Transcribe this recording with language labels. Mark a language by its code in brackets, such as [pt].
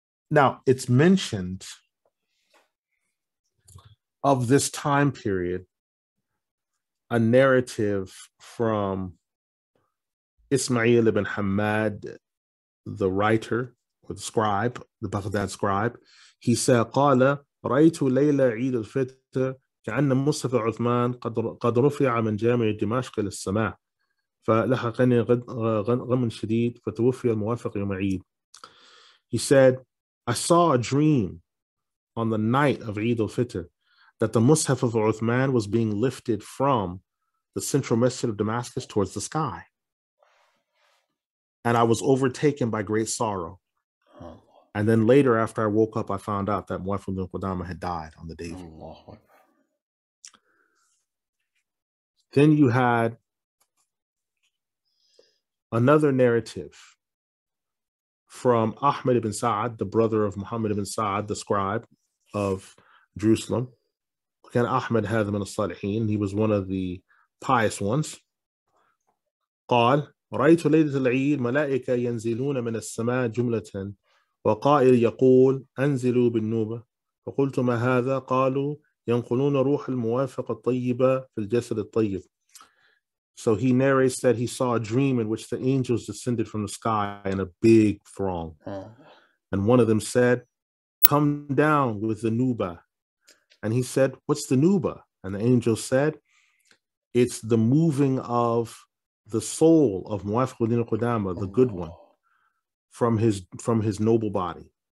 [en] Now, it's mentioned of this time period, a narrative from Ismail ibn Hamad, the writer, or the scribe, the Baghdad scribe. He said, [ar] قال رأيت ليلة عيد الفطر كأن مصحف عثمان قد رفع من جامع دمشق للسماء فلحقني غم شديد فتوفي الموافق يوم عيد. [en] He said, I saw a dream on the night of Eid al-Fitr that the Mus'haf of Uthman was being lifted from the central masjid of Damascus towards the sky. And I was overtaken by great sorrow. And then later, after I woke up, I found out that Muwaffaq ibn Qudamah had died on the day. Then you had another narrative from Ahmed ibn Sa'ad, the brother of Muhammad ibn Sa'ad, the scribe of Jerusalem. Can Ahmed had him in the Salihin? He was one of the pious ones. [ar] قال رأيت ليلة العيد ملائكة ينزلون من السماء جملة وقائل يقول أنزلوا بالنوبة فقلت ما هذا قالوا ينقلون روح الموافق الطيبة في الجسد الطيب. [en] So he narrates that he saw a dream in which the angels descended from the sky in a big throng. And one of them said, come down with the Nuba. And he said, what's the Nuba? And the angel said, it's the moving of the soul of Muwaffaq ibn Qudamah, the good one, from his noble body.